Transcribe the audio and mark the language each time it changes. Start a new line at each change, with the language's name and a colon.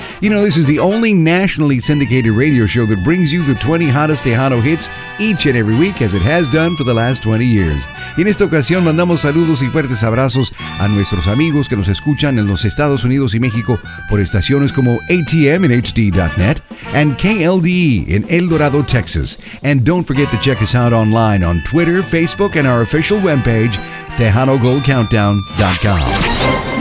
English: You know, this is the only nationally syndicated radio show that brings you the 20 hottest Tejano hits each and every week, as it has done for the last 20 years.
Spanish: Y en esta ocasión mandamos saludos y fuertes abrazos a nuestros amigos que nos escuchan en los Estados Unidos y México por estaciones como ATM en HD.net and KLDE in El Dorado, Texas.
English: And don't forget to check us out online on Twitter, Facebook, and our official webpage, TejanoGoldCountdown.com.